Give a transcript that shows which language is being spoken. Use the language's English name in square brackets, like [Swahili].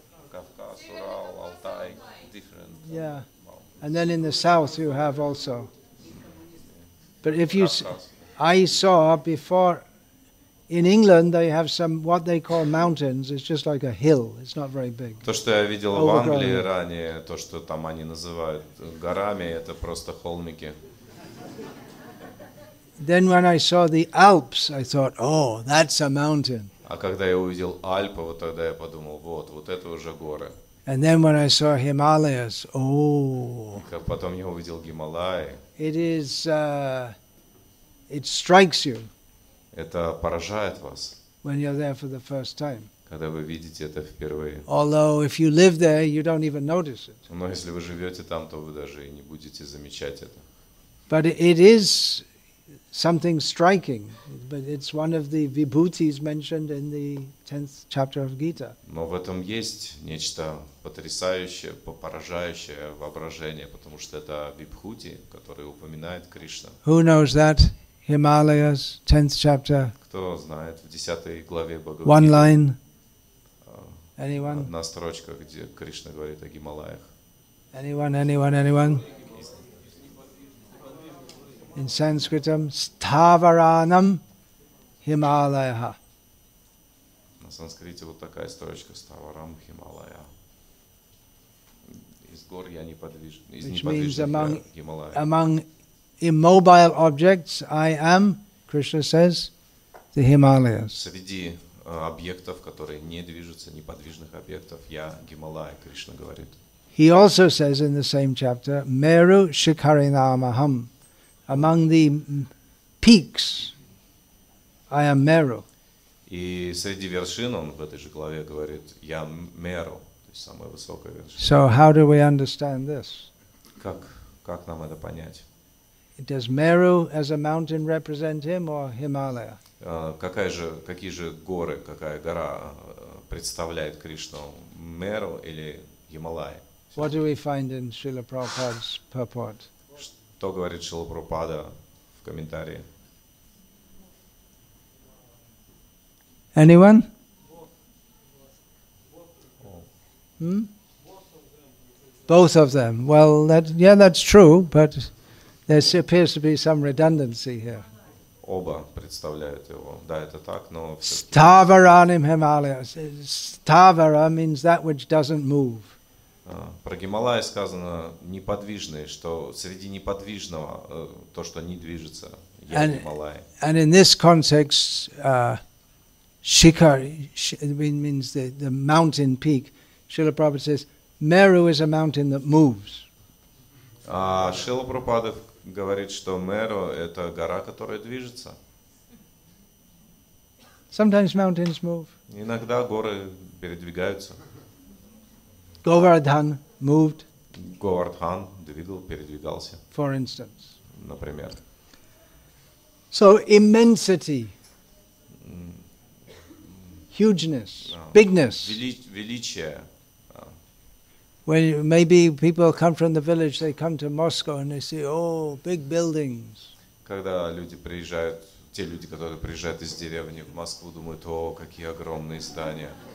[Russian] Кавказ, Урал, Алтай, [English] different. Yeah, and then in the south you have also. But if you, I saw before, in England they have some what they call mountains. It's just like a hill. It's not very big. [Russian] То, что я видел в Англии ранее, то, что там они называют горами, это просто холмики. [English] Then when I saw the Alps, I thought, oh, that's a mountain. [Russian] А когда я увидел Альпы, вот тогда я подумал, вот это уже горы. [English] And then when I saw Himalayas, oh. [Russian] Как потом я увидел Гималаи. [English] It is, it strikes you. [Russian] Это поражает вас. [English] When you're there for the first time. [Russian] Когда вы видите это впервые. [English] Although if you live there, you don't even notice it. [Russian] Но если вы живете там, то вы даже и не будете замечать это. [English] But it is something striking. But it's one of the vibhutis mentioned in the 10th chapter of Gita. [Russian] Но в этом есть нечто потрясающее, поражающее воображение, потому что это вибхути, который упоминает Кришна. [English] Who knows that? Himalayas, 10th chapter. [Russian] Кто знает, в 10 главе Бхагавад-гиты. [English] One line. Anyone? [Russian] Одна строчка, где Кришна говорит о Гималаях. [English] Anyone? In Sanskritam, [Sanskrit] sthavaranam himalayah. [Russian] На санскрите вот такая строчка, [Sanskrit] sthavaram himalayah. [Russian] Из гор я неподвижен, из неподвижных Гималаев. [English] Among immobile objects, I am, Krishna says, the Himalayas. [Russian] Среди объектов, которые не движутся, неподвижных объектов, я Гималая, Кришна говорит. [English] He also says in the same chapter, [Sanskrit] Meru Shikharinamaham. [English] Among the peaks, I am Meru. [Russian] И среди вершин он в этой же главе говорит, я Меру, то есть самая высокая вершина. [English] So how do we understand this? [Russian] Как нам это понять? [English] Does Meru as a mountain represent him or Himalaya? [Russian] Какая гора представляет Кришну, Меру или Гималаи? [English] What do we find in Srila Prabhupada's purport? [Russian] Что говорит Шрила Прабхупада в комментарии? [English] Anyone? Both of them. Well, that's true, but there appears to be some redundancy here. [Russian] Оба представляют его. Да, это так, но... [Sanskrit] Sthavaranim Himalayas. [English] Sthavara means that which doesn't move. [Russian] Про Гималаи сказано неподвижное, что среди неподвижного то, что не движется, я Гималаи. [English] And in this context, Shikhar means the mountain peak. Srila Prabhupada says, Meru is a mountain that moves. [Russian] А Шрила Прабхупада говорит, что Меру – это гора, которая движется. [English] Sometimes mountains move. [Russian] Иногда горы передвигаются. [English] Govardhan moved. [Russian] Govardhan передвигался. [English] For instance. [Russian] Например. [English] So immensity. Hugeness. Bigness. [Russian] Величие. [English] When maybe people come from the village, they come to Moscow and they see, oh, big buildings. [Russian] Когда люди приезжают, те люди, которые приезжают из деревни в Москву, думают, о, какие огромные здания.